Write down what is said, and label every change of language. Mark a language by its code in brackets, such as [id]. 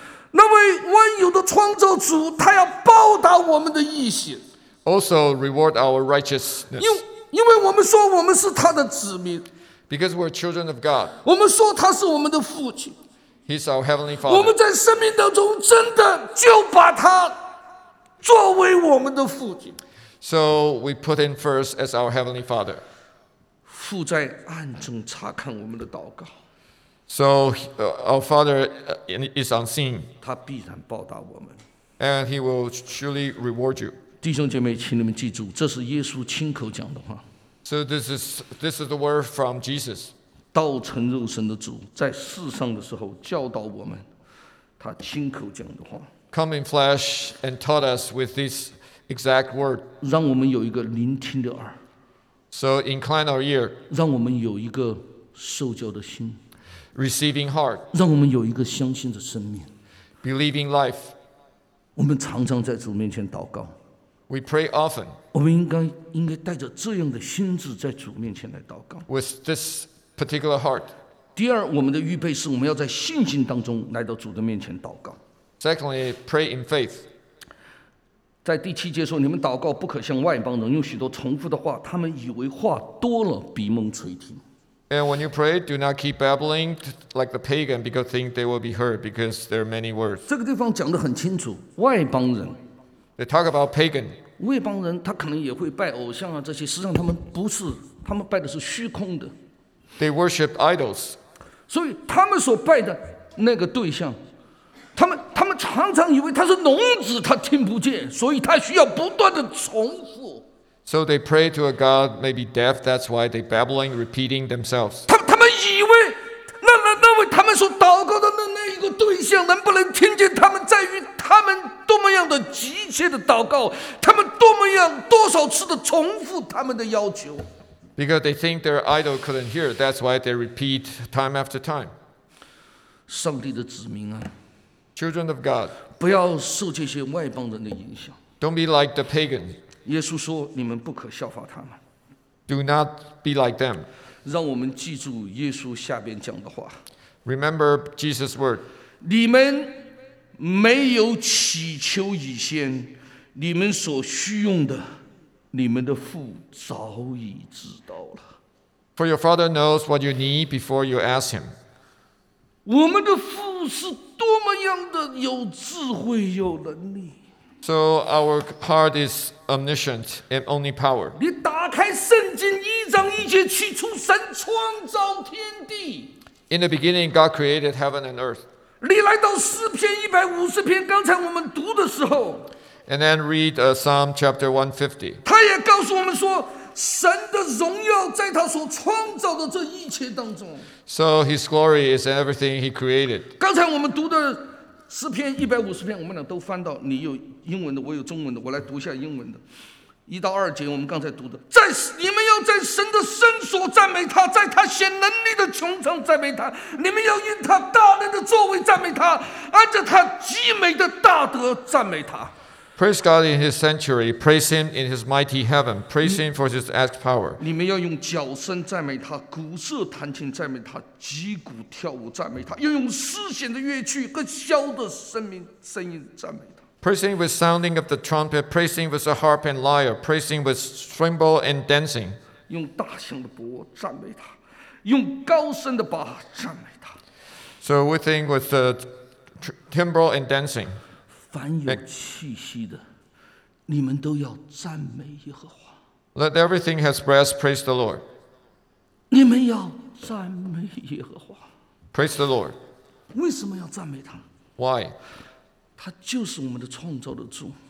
[zh] 那位万有的创造主，他要报答我们的义行。 [en] Also reward our righteousness. [zh] 因为我们说我们是他的子民。 [en] Because we're children of God. [zh] 我们说他是我们的父亲。 [en] He's our heavenly father. [zh] 我们在生命当中真的就把他。作为我们的父亲 [en] ，So we put him first as our heavenly father. [zh] 父在暗中查看我们的祷告。 [en] So our father is unseen. [zh] 他必然报答我们。 [en] And he will surely reward you. [zh] 弟兄姐妹，请你们记住，这是耶稣亲口讲的话。 [en] So this is the word from Jesus. [zh] 道成肉身的主，在世上的时候教导我们，他亲口讲的话。 [en] Come in flesh and taught us with this exact word. [zh] 让我们有一个聆听的耳。 [en] So incline our ear. [zh] 让我们有一个受教的心。 [en] Receiving heart. [zh] 让我们有一个相信的生命。 [en] Believing life. [zh] 我们常常在主面前祷告。 [en] We pray often. [zh] 我们应该带着这样的心智在主面前来祷告。 [en] With this particular heart. [zh] 第二，我们的预备是我们要在信心当中来到主的面前祷告。 [en] Secondly, pray in faith. [zh] 在第七节说，你们祷告不可像外邦人用许多重复的话，他们以为话多了必蒙垂听。 [en] And when you pray, do not keep babbling like the pagan, because think they will be heard, because there are many words. [zh] 这个地方讲得很清楚，外邦人。 [en] They talk about pagan. [zh] 外邦人他可能也会拜偶像啊这些，实际上他们不是，他们拜的是虚空的。 [en] They worship idols. [zh] 所以他们所拜的那个对象。他们常常以为他是聋子，他听不见，所以他需要不断的重复。 [en] So they pray to a god maybe deaf. That's why they babbling, repeating themselves. [zh] 他们以为那位他们所祷告的那一个对象能不能听见他们，在于他们多么样的急切的祷告，他们多么样多少次的重复他们的要求。 [en] Because they think their idol couldn't hear. That's why they repeat time after time. [zh] 上帝的子民啊。 [en] Children of God, [zh] 不要受这些外邦人的影响。 [en] Don't be like the pagan. [zh] 耶稣说：“你们不可效法他们。” [en] Do not be like them. [zh] 让我们记住耶稣下边讲的话。 [en] Remember Jesus' word. [zh] 你们没有祈求以先，你们所需用的，你们的父早已知道了。 [en] For your father knows what you need before you ask him. [zh] 我们的父是。多么样的有智慧有能力。 [en] So our heart is omniscient and only power. [zh] 你打开圣经一章一节，起初神创造天地。 [en] In the beginning, God created heaven and earth. [zh] 你来到诗篇一百五十篇，刚才我们读的时候。 [en] And then read Psalm chapter 150. [zh] 他也告诉我们说，神的荣耀在他所创造的这一切当中。 [en] So his glory is everything he created. [zh] 刚才我们读的诗篇一百五十篇，我们俩都翻到，你有英文的，我有中文的，我来读一下英文的，一到二节，我们刚才读的，在你们要在神的圣所赞美他，在他显能力的穹苍赞美他，你们要因他大能的作为赞美他，按着他极美的大德赞美他。 [en] Praise God in His sanctuary. Praise Him in His mighty heaven. Praise Him for His act power. [zh] 你们要用脚声赞美他，鼓瑟弹琴赞美他，击鼓跳舞赞美他，要用丝弦的乐曲和箫的声音赞美他。 [en] Praise Him with sounding of the trumpet. Praise Him with the harp and lyre. Praise Him with cymbal and dancing. [zh] 用大象的钹赞美他，用高声的钹赞美他。 [en] So we think with the timbrel and dancing. [zh] 凡有气息的，你们都要赞美耶和华。 [en] Let everything has breath praise the Lord. [zh] 你们要赞美耶和华。 [en] Praise the Lord. [zh] 为什么要赞美他 [en] ？Why? [zh] 他就是我们的创造的主。